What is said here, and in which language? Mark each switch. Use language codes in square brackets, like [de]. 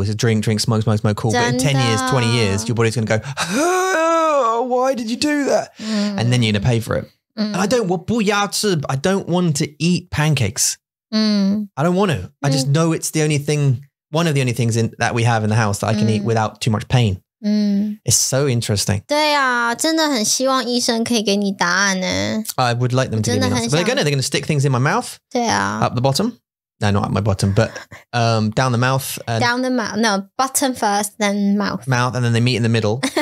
[en] It's a drink, smoke, cool. But in 10 years, 20 years, your body's going to go, why did you do that? And then you're going to pay for it. I don't want to eat pancakes. I don't want to. I just know it's the only thing, one of the only things that we have in the house that I can eat without too much pain. It's so interesting. [zh] 对啊，真的很希望医生可以给你答案呢。 [en] I would like them to give me an answer. But they're going to stick things in my mouth. [zh] 对啊。 [en] Up the bottom. No, not up my bottom, but down the mouth. And down the mouth. No, bottom first, then mouth. Mouth, and then they meet in the middle.